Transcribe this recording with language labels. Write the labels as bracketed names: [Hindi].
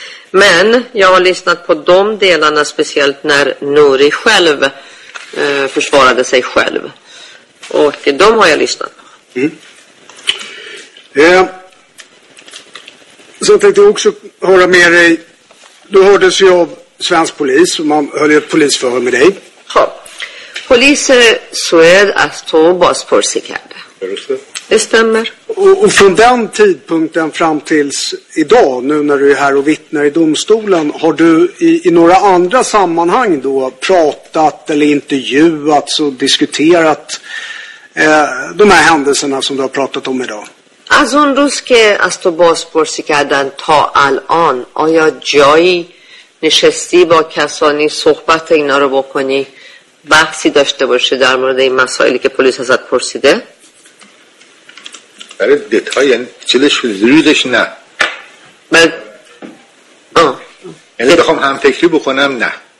[Swedish] Men jag har lyssnat på de delarna speciellt när Nuri själv försvarade sig själv. Och de har jag lyssnat på. Så tänkte jag också höra med dig. Du hördes ju av svensk polis och man höll ju ett polisförhör med dig. [Persian] پلیس سوئد از تو بازپرسی کرده. استمر. [Swedish] و från den tidpunkten fram tills idag nu när du är här och vittnar i domstolen har du i några andra sammanhang då pratat eller intervjuat så diskuterat de här händelserna som du har pratat om idag. [Persian] از اون روز که از تو بازپرسی کردن تا الان آیا جایی نشستی با کسانی صحبت اینا رو بکنی بحثی داشته باشی در مورد این مسائلی که پلیس ازت پرسیده؟ برای دیتایی یعنی چیلش زیادش نه یعنی بخوام همفکری بکنم نه